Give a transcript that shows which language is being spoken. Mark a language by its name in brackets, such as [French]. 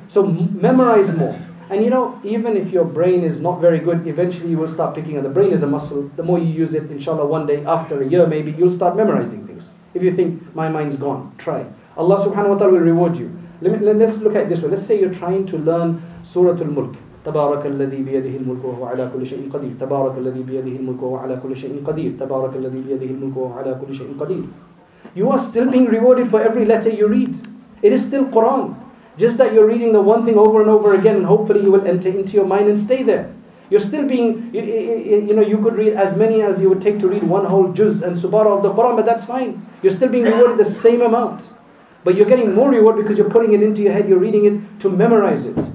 [English] So memorize more. And you know, even if your brain is not very good, eventually you will start picking up. The brain is a muscle. The more you use it, inshallah, one day, after a year maybe, you'll start memorizing things. If you think, my mind's gone, try. Allah subhanahu wa ta'ala will reward you. Let's look at it this way. Let's say you're trying to learn Suratul Mulk. [Arabic] تبارك الذي بيده الملك وهو على كل شيء قدير تبارك الذي بيده الملك وهو على كل شيء قدير تبارك الذي بيده الملك وهو على كل شيء قدير. [English] You are still being rewarded for every letter you read. It is still Quran. Just that you're reading the one thing over and over again, and hopefully you will enter into your mind and stay there. You're still being, you know, you could read as many as you would take to read one whole juz and subara of the Quran, but that's fine. You're still being rewarded the same amount. But you're getting more reward because you're putting it into your head, you're reading it to memorize it.